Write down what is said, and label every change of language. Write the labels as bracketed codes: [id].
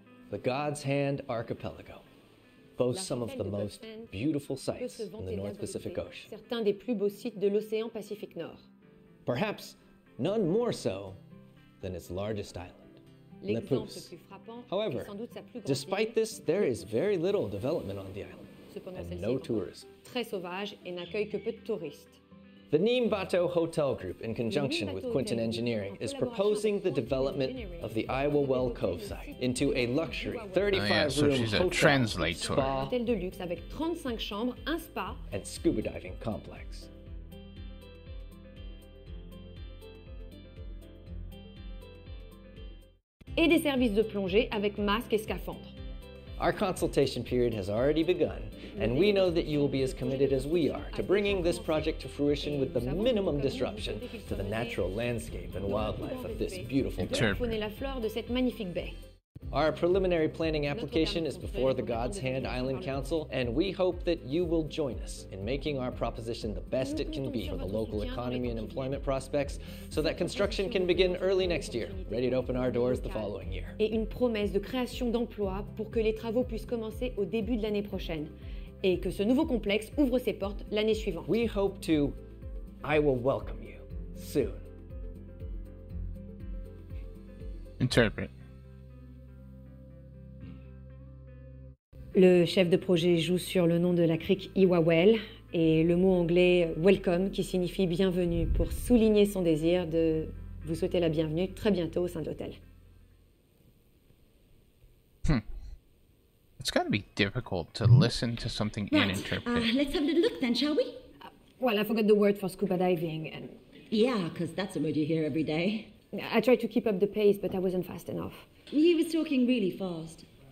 [en] The God's Hand Archipelago boasts some of the most beautiful sites in the North Pacific Ocean. [fr] Certains des plus beaux sites de l'océan Pacifique Nord. [en] Perhaps none more so than its largest island, Lepus. However, despite this, there is very little development on the island, and no tourism. [fr] Très sauvage et n'accueille que peu de touristes. [en] The Neem Bateau Hotel Group, in conjunction with Quinton Engineering, is proposing the development of the Iowa Well Cove site into a luxury 35-room hotel, spa, [fr] hôtel de luxe avec 35 chambres, un spa, [en] and scuba diving complex. [fr] Et des services de plongée avec masque et scaphandre. [en] Our consultation period has already begun, and we know that you will be as committed as we are to bringing this project to fruition with the minimum disruption to the natural landscape and wildlife of this beautiful bay. Our preliminary planning application is before the God's Hand Island Council, and we hope that you will join us in making our proposition the best it can be for the local economy and employment prospects, so that construction can begin early next year, ready to open our doors the following year. [fr] Et une promesse de création d'emplois pour que les travaux puissent commencer au début de l'année prochaine, et que ce nouveau complexe ouvre ses portes l'année suivante. [en] We hope to, I will welcome you soon. Interpret. [fr] Le chef de projet joue sur le nom de la crique Iwawel et le mot anglais welcome qui signifie bienvenue pour souligner son désir de vous souhaiter la bienvenue très bientôt au sein de l'hôtel. [en] It's gotta be difficult to listen to something and interpret. Let's have a look then, shall we? Well, I forgot the word for scuba diving and... Yeah, because that's a word you hear every day. I tried to keep up the pace, but I wasn't fast enough. He was talking really fast.